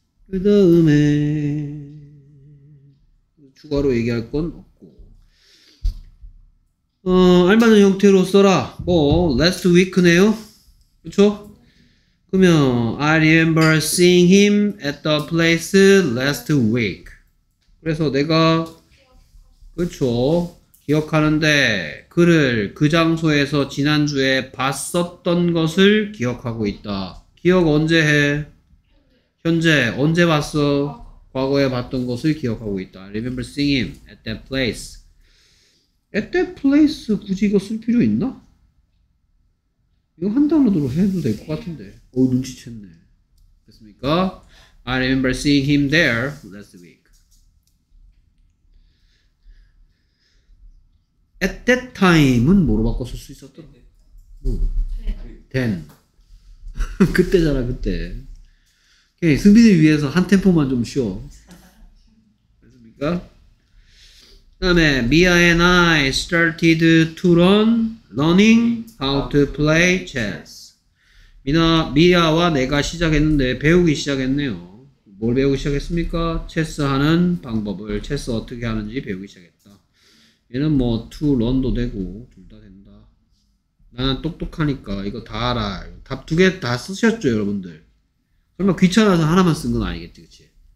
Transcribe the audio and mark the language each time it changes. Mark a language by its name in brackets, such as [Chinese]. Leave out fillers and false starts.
[Korean] 그 다음에 추가로 얘기할 건 없고 알맞은 형태로 써라. 뭐 last week네요. 그쵸? 그러면 [English] I remember seeing him at the place last week. [Korean] 그래서 내가 그쵸 기억하는데 그를 그 장소에서 지난주에 봤었던 것을 기억하고 있다. 기억 언제 해? 현재 언제 봤어? 과거에 봤던 것을 기억하고 있다. [English] I remember seeing him at that place. At that place [Korean] 굳이 이거 쓸 필요 있나? 이거 한 단어로 해도 될 것 같은데. 오 눈치챘네. 됐습니까? [English] I remember seeing him there last week. [Korean] At that time은 뭐로 바꿔 쓸 수 있었던? 뭐? Then. 그때잖아 그때. 예, 승빈을 위해서 한 템포만 좀 쉬어. 됐습니까? 그 다음에 [English] Mia and I started to learning how to play chess. [Korean] 미아와 내가 시작했는데 배우기 시작했네요. 뭘 배우기 시작했습니까? 체스하는 방법을, 체스 어떻게 하는지 배우기 시작했다. 얘는 뭐 to learn도 되고 둘 다 된다. 나는 똑똑하니까 이거 다 알아. 답 두 개 다 쓰셨죠 여러분들? 설마 귀찮아서 하나만 쓴 건 아니겠지, 그치?